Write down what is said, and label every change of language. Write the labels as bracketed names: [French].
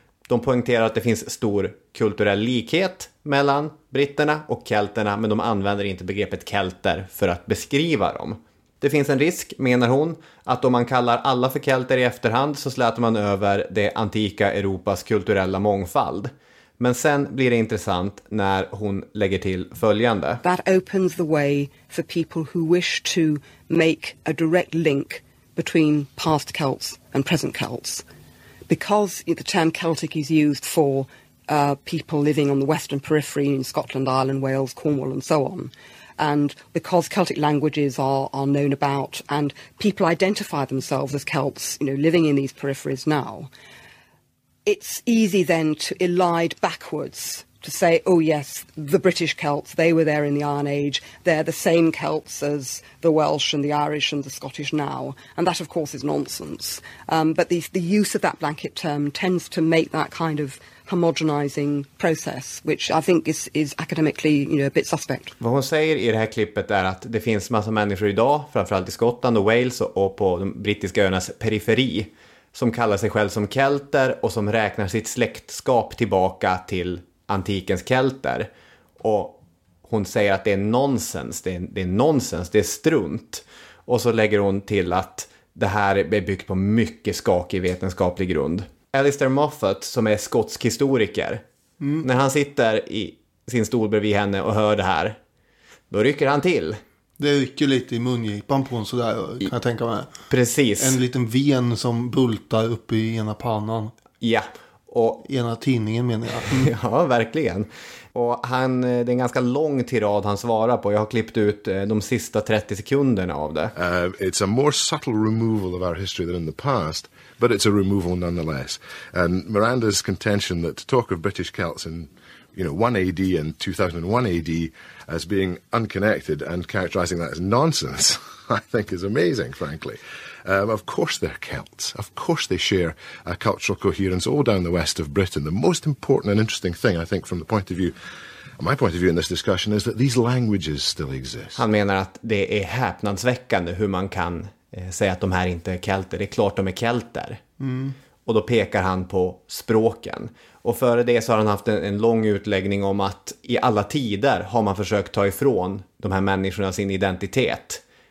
[Swedish] De poängterar att det finns stor kulturell likhet mellan britterna och kelterna, men de använder inte begreppet kelter för att beskriva dem. Det finns en risk, menar hon, att om man kallar alla för kelter i efterhand så släter man över det antika Europas kulturella mångfald. Men sen blir det intressant när hon lägger till följande. [English] That opens the way for people who wish to make a direct link between past Celts and present Celts. Because the term Celtic is used for people living on the western periphery in Scotland, Ireland, Wales, Cornwall and so on. And because Celtic languages are known about and people identify themselves as Celts, you know, living in these peripheries now, it's easy then to elide backwards, to say, oh yes, the British Celts, they were there in the Iron Age, they're the same Celts as the Welsh and the Irish and the Scottish now. And that, of course, is nonsense. But the use of that blanket term tends to make that kind of homogenizing process, which I think is academically, you know, a bit suspect. [Swedish] Vad hon säger i det här klippet är att det finns massa människor idag, framförallt i Skottland och Wales och på de brittiska öarnas periferi, som kallar sig själv som kelter och som räknar sitt släktskap tillbaka till antikens kelter. Och hon säger att det är nonsens, det är strunt. Och så lägger hon till att det här är byggt på mycket skakig vetenskaplig grund. Alistair Moffat, som är skotsk historiker, när han sitter i sin stol bredvid henne och hör det här, då rycker han till. Det rycker lite i mungipan på en sådär, kan jag tänka mig. Precis. En liten ven som bultar upp i ena pannan. Ja. Och i ena tidningen, menar jag. Ja, verkligen. Och han, det är en ganska lång tirad han svarar på. Jag har klippt ut de sista 30 sekunderna av det. [English] It's a more subtle removal of our history than in the past, but it's a removal nonetheless. And Miranda's contention that to talk of British Celts in, you know, 1 AD and 2001 AD as being unconnected and characterizing that as nonsense, I think is amazing, frankly. Of course they're Celts. Of course they share a cultural coherence all down the west of Britain. The most important and interesting thing, I think, from the point of view, my point of view in this discussion, is that these languages still exist. [Swedish] Han menar att det är häpnadsväckande hur man kan säga att de här inte är kelter. Det är klart de är kelter. Mm. Och då pekar han på språken. Och före det så har han haft en lång utläggning om att i alla tider har man försökt ta ifrån de här människorna sin identitet.